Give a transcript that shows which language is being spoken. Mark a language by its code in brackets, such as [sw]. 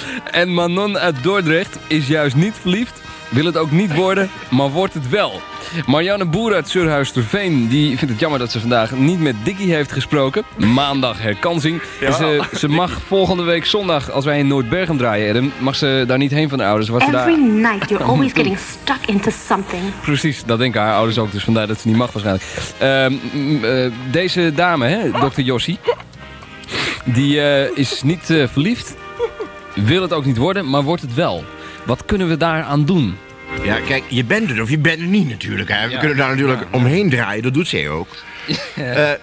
[nl] En Manon uit Dordrecht is juist niet verliefd. Wil het ook niet worden, maar wordt het wel. Marianne Boer uit Surhuisterveen, die vindt het jammer dat ze vandaag niet met Dickie heeft gesproken. Maandag herkansing. Ja. Ze mag volgende week zondag, als wij in Noordbergen draaien, mag ze daar niet heen van de ouders. [en] Every [nl] daar... [en] night you're always getting stuck into something. [nl] Precies, dat denken haar ouders ook, dus vandaar dat ze niet mag waarschijnlijk. Deze dame, hè, dokter Jossi, die is niet verliefd. Wil het ook niet worden, maar wordt het wel. Wat kunnen we daaraan doen? Ja, kijk, je bent het of je bent het niet natuurlijk. Hè? We kunnen daar natuurlijk omheen draaien, dat doet zij ook. Ja.